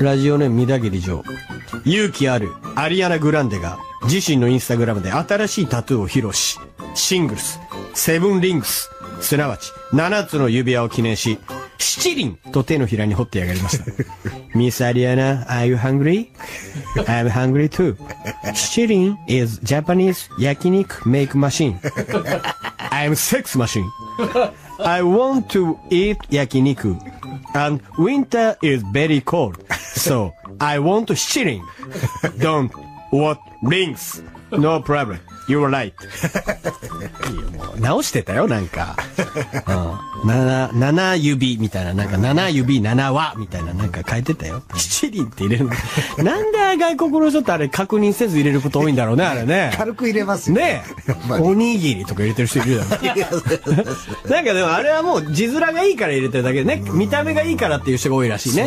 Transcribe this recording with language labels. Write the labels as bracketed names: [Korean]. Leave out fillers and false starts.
[Japanese] ラジオネームみだぎり嬢。勇気あるアリアナグランデが自身のインスタグラムで新しいタトゥーを披露し、シングルスセブンリングス、すなわち7つの指輪を記念し七輪と手のひらに掘ってやがりました。 [English] ミスアリアナ、 Are you hungry? I'm hungry too. 七輪 is Japanese 焼肉 make machine. I'm sex machine. I want to eat 焼肉 and winter is very cold. So I want 七輪 Don't want rings. No problem. You were right. [Japanese] 直してたよなんか、うん、7指みたいな、なんか7指7話みたいな、なんか変えてたよ。七輪って入れるの、なんで外国の人ってあれ確認せず入れること多いんだろうね。あれね、軽く入れますよね、 ね、おにぎりとか入れてる人いるじゃん。なんかでもあれはもう字面がいいから入れてるだけでね、見た目がいいからっていう人が多いらしいね。